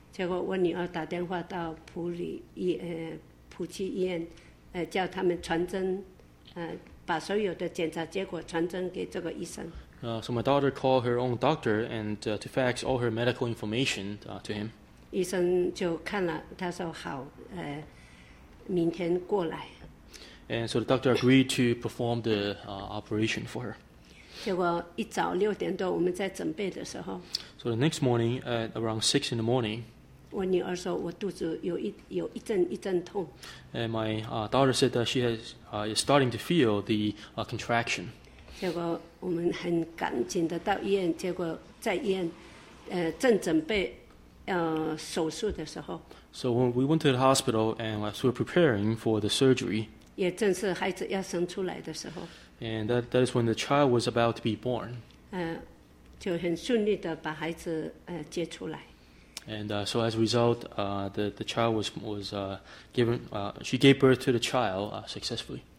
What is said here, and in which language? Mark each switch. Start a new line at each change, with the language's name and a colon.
Chinese: 结果我女儿打电话到普里医普济医院叫他们传真把所有的检查结果传真给这个医生。
English: So my daughter called her own doctor and to fax all her medical information to him.
Chinese: 医生就看了，他说好，明天过来。
English: And so the doctor agreed to perform the operation for her.
Chinese: 结果一早六点多我们在准备的时候。
English: So the next morning at around 6 in the morning.
Chinese: 我女儿说我肚子有一阵一阵痛。
English: And my daughter said that she is starting to feel the contraction.
Chinese: 结果我们很赶紧的到医院，结果在医院，正准备手术的时候。
English: So when we went to the hospital and we were preparing for the surgery.
Chinese: 也正是孩子要生出来的时候。
English: And that is when the child was about to be born.
Chinese: 就很顺利的把孩子接出来。
English: And so as a result, the child was given, she gave birth to the child successfully.